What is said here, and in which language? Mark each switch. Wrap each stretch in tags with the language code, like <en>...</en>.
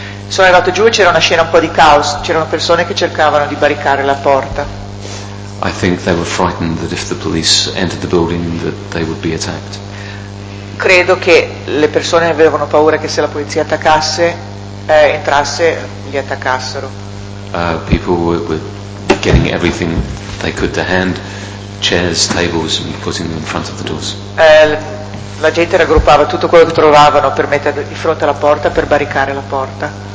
<it>Sono arrivato giù e c'era una scena un po' di caos. C'erano persone che cercavano di barricare la porta.</it> <en>I think they were frightened that if the police entered the building that they would be attacked.</en> <it>Credo che le persone avevano paura che se la polizia attaccasse, entrasse, li attaccassero.</it> <en>People were getting everything they could to hand, chairs, tables, and putting them in front of the doors.</en> <it>La gente raggruppava tutto quello che trovavano per mettere di fronte alla porta, per barricare la porta.</it>